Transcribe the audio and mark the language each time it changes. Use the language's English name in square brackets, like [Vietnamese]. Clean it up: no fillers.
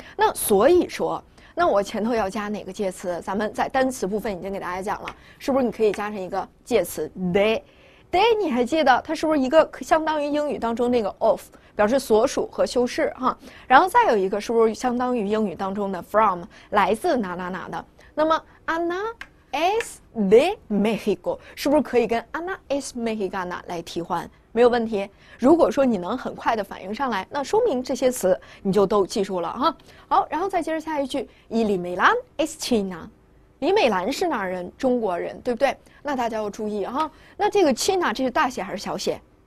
[Chinese] 那所以说，那我前头要加哪个介词？咱们在单词部分已经给大家讲了，是不是你可以加上一个介词 de？ day 你还记得它是不是一个相当于英语当中那个 of 表示所属和修饰哈？然后再有一个是不是相当于英语当中的 from 来自哪哪哪的？那么 [Spanish] Ana es de México [Chinese] 是不是可以跟 [Spanish] Ana es mexicana [Chinese] 来替换？没有问题，如果说你能很快的反应上来，那说明这些词你就都记住了哈。好，然后再接着下一句，伊里梅兰 [Spanish] es china， [Chinese] 李美兰是哪人？中国人，对不对？那大家要注意哈，那这个 china 这是大写还是小写？